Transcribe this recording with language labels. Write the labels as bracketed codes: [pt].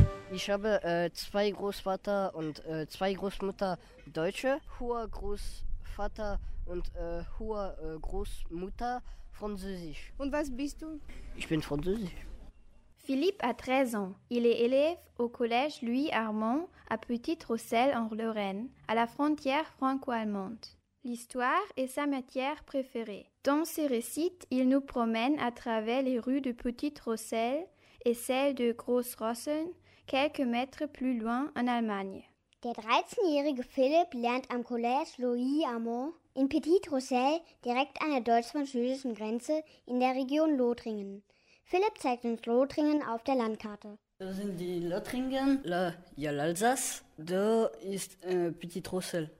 [de] Ich habe zwei Großvater und zwei Großmutter Deutsche, hoher Großvater und hoher Großmutter Französisch. Und was bist du? Ich bin Französisch. [fr] Philippe a 13 ans. Il est élève au collège Louis Armand à Petit-Rossel en Lorraine, à la frontière franco-allemande. L'histoire est sa matière préférée. Dans ses récits, il nous promène à travers les rues de Petit-Rossel et celles de Gross-Rossen, quelques mètres plus loin en Allemagne. [de] Der 13-jährige Philipp lernt am Collège Louis Armand in Petit-Rossel, direkt an der deutsch-französischen Grenze, in der Region Lothringen. Philipp zeigt uns Lothringen auf der Landkarte. Da sind die Lothringen, da ja l'Alsace, da ist Petit-Rossel.